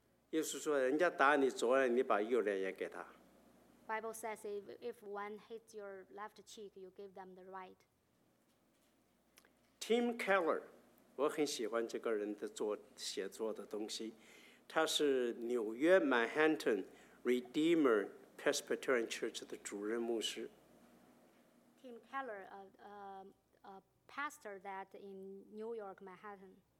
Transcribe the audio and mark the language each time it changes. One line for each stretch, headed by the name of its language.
Chinese: 耶稣说，人家打你左脸，你把右脸也给他。
English: Bible says, if one hits your left cheek, you give them the right.
Chinese: Tim Keller, 我很喜欢这个人的写作的东西。他是纽约 Manhattan Redeemer Presbyterian Church 的主任牧师。
English: Tim Keller, a pastor that in New York, Manhattan.